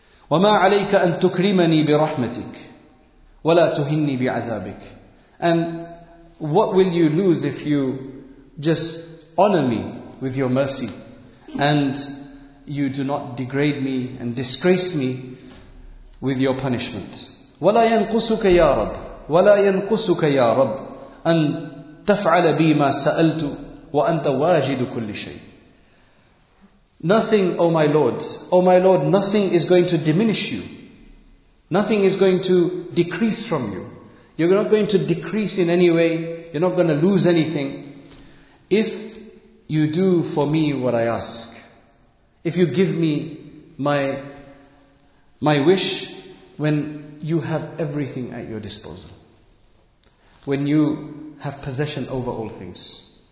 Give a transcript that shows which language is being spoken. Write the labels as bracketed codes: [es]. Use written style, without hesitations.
[ar] وَمَا عَلَيْكَ أَن تُكْرِمَنِي بِرَحْمَتِكَ وَلَا تُهِنِّي بِعَذَابِكَ [en] And what will you lose if you just honor me with your mercy and you do not degrade me and disgrace me with your punishment. [ar] وَلَا يَنْقُسُكَ يَا رَبْ وَلَا يَنْقُسُكَ يَا رَبْ أَنْ تَفْعَلَ بِي مَا سَأَلْتُ وَأَنْتَ وَاجِدُ كُلِّ شَيْءٍ [en] Nothing, O my Lord, O my Lord, nothing is going to diminish you. Nothing is going to decrease from you. You're not going to decrease in any way. You're not going to lose anything. If you do for me what I ask, if you give me my wish when you have everything at your disposal, when you have possession over all things.